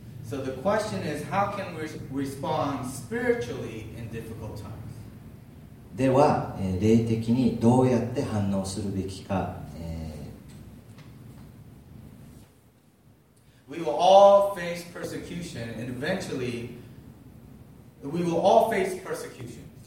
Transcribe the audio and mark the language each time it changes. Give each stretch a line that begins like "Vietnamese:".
English: So the question is, how can we respond spiritually in difficult times?
Japanese: では、霊的にどうやって反応するべきか、
English: We will all face persecution and eventually we will all face persecution.